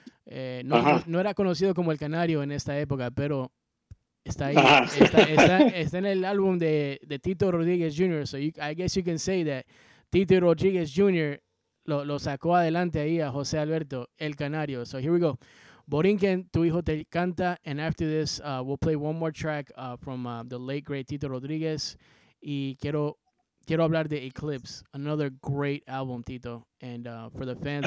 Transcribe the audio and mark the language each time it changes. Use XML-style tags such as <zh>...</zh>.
<es>No era conocido como El Canario en esta época, pero está ahí. Uh-huh. Está en el álbum de Tito Rodríguez Jr.</es> <en>So I guess you can say that Tito Rodríguez Jr.</en> <es>lo sacó adelante ahí a José Alberto, El Canario.</es> <en>So here we go. Borinquen, Tu Hijo Te Canta, and after this, we'll play one more track from the late, great Tito Rodríguez,</en> <es>y quiero hablar de Eclipse,</es> <en>another great album, Tito, and for the fans.</en>